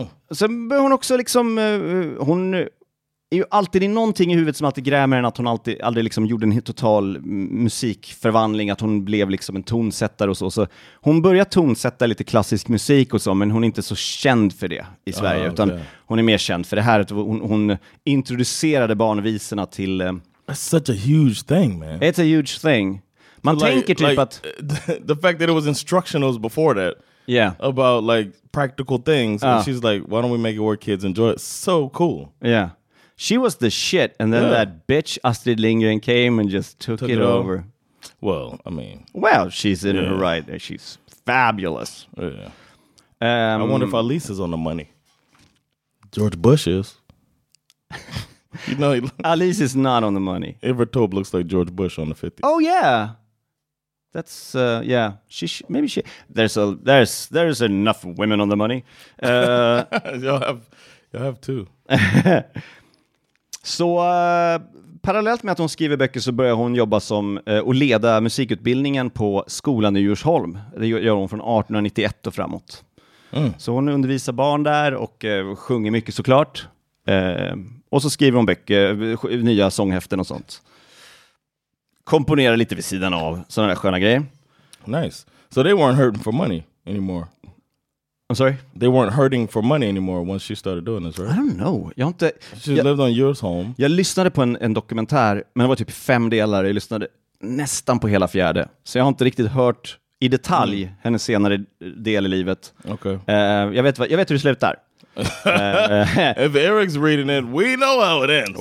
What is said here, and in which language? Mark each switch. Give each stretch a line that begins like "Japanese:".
Swedish: Sen börjar hon också liksom... hon är ju alltid i någonting i huvudet som alltid grämer en, att hon aldrig liksom gjorde en total musikförvandling, att hon blev liksom en tonsättare och så. Så hon börjar tonsätta lite klassisk musik och så, men hon är inte så känd för det i Sverige, utan hon är mer känd för det här att hon introducerade barnvisorna till...
English: That's such a huge thing, man. It's a huge thing.
Swedish: Man tänker typ att...
English: The fact that it was instructionals before that. Yeah. About like practical things. And she's like, why don't we make it where kids enjoy it? So cool. Yeah. She was the shit. And then that bitch Astrid Lindgren came and just took it over. Well, I mean. Well, she's in her right. She's fabulous. Yeah. I wonder if Alice is on the money. George Bush is. You know, Alice is not on the money. Ivar Tobe looks like George Bush on the 50s. Oh, yeah. That's, yeah. Maybe she. There's enough women on the money. y'all have two.
Swedish: Så parallellt med att hon skriver böcker så börjar hon jobba som och leda musikutbildningen på skolan i Djursholm. Det gör hon från 1891 och framåt. Mm. Så hon undervisar barn där och sjunger mycket såklart. Och så skriver hon böcker, nya sånghäften och sånt. Komponerar lite vid sidan av sådana där sköna grejer.
English: Nice. So they weren't hurting for money anymore. I'm sorry? They weren't hurting for money anymore once she started doing this, right? I don't know. She lived on your home.
Swedish: Jag lyssnade på en dokumentär, men det var typ 5 delar. Jag lyssnade nästan på hela 4:e. Så jag har inte riktigt hört i detalj hennes senare del i livet.
English: Okay.
Swedish: Jag vet hur det slutar.
English: If Eric's reading it, we know how it ends.